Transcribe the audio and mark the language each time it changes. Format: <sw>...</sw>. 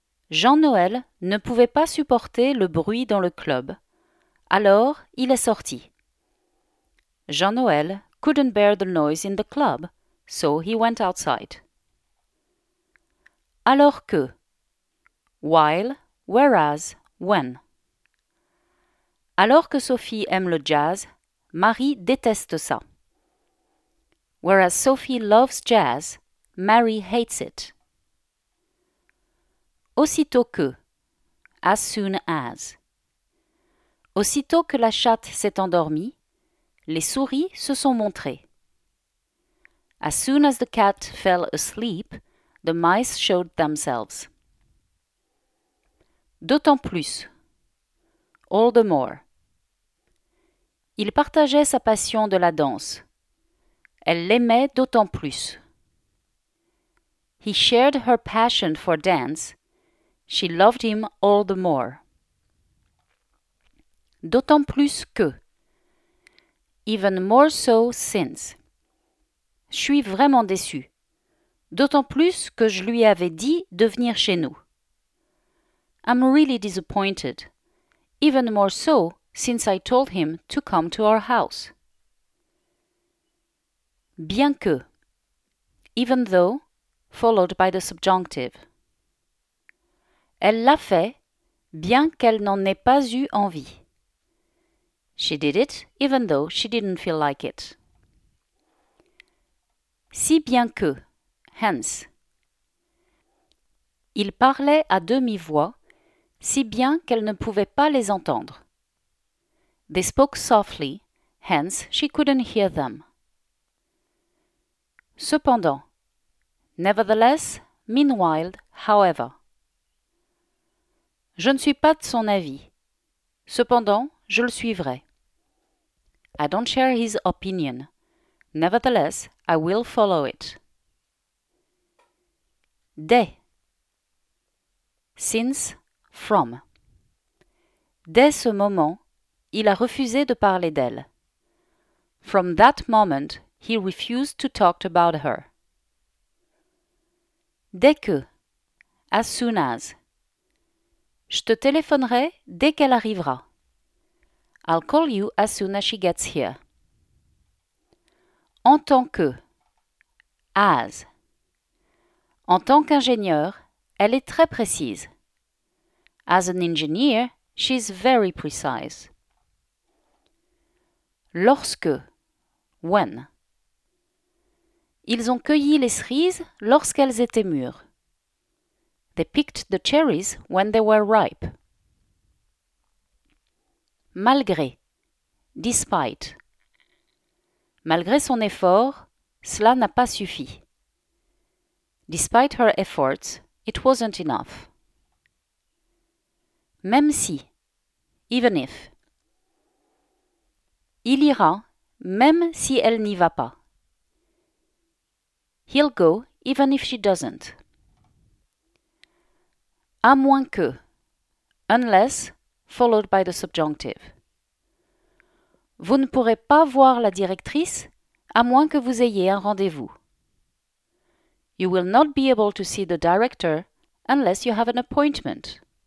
<fr>Jean-Noël ne pouvait pas supporter le bruit dans le club. Alors, il est sorti.</fr> <en>Jean-Noël couldn't bear the noise in the club, so he went outside.</en> <fr>Alors que.</fr> <en>While, whereas, when.</en> <fr>Alors que Sophie aime le jazz, Marie déteste ça.</fr> <en>Whereas Sophie loves jazz, Mary hates it.</en> <fr>Aussitôt que.</fr> <en>As soon as.</en> <fr>Aussitôt que la chatte s'est endormie, les souris se sont montrées.</fr> <en>As soon as the cat fell asleep, the mice showed themselves.</en> <fr>D'autant plus.</fr> <en>All the more.</en> <fr>Il partageait sa passion de la danse. Elle l'aimait d'autant plus.</fr> <en>He shared her passion for dance. She loved him all the more.</en> <fr>D'autant plus que.</fr> <en>Even more so since.</en> <fr>Je suis vraiment déçue. D'autant plus que je lui avais dit de venir chez nous.</fr> <en>I'm really disappointed. Even more so since I told him to come to our house.</en> <fr>Bien que,</fr> <en>even though, followed by the subjunctive.</en> <fr>Elle l'a fait, bien qu'elle n'en ait pas eu envie.</fr> <en>She did it, even though she didn't feel like it.</en> <fr>Si bien que,</fr> <en>hence.</en> <fr>Il parlait à demi-voix, si bien qu'elle ne pouvait pas les entendre.</fr> <en>They spoke softly, hence she couldn't hear them.</en> <fr>Cependant,</fr> <en>nevertheless, meanwhile, however.</en> <fr>Je ne suis pas de son avis. Cependant, je le suivrai.</fr> <en>I don't share his opinion. Nevertheless, I will follow it.</en> <fr>Dès.</fr> <en>Since, from.</en> <fr>Dès ce moment, il a refusé de parler d'elle.</fr> <en>From that moment, he refused to talk about her.</en> <fr>Dès que.</fr> <en>As soon as.</en> <fr>Je te téléphonerai dès qu'elle arrivera.</fr> <en>I'll call you as soon as she gets here.</en> <fr>En tant que.</fr> <en>As.</en> <fr>En tant qu'ingénieur, elle est très précise.</fr> <en>As an engineer, she's very precise.</en> <fr>Lorsque.</fr> <en>When.</en> <fr>Ils ont cueilli les cerises lorsqu'elles étaient mûres.</fr> <en>They picked the cherries when they were ripe.</en> <fr>Malgré,</fr> <en>despite.</en> <fr>Malgré son effort, cela n'a pas suffi.</fr> <en>Despite her efforts, it wasn't enough.</en> <fr>Même si,</fr> <en>even if.</en> <fr>Il ira, même si elle n'y va pas.</fr> <en>He'll go even if she doesn't.</en> <fr>À moins que.</fr> <en>Unless, followed by the subjunctive.</en> <fr>Vous ne pourrez pas voir la directrice à moins que vous ayez un rendez-vous.</fr> <en>You will not be able to see the director unless you have an appointment.</en>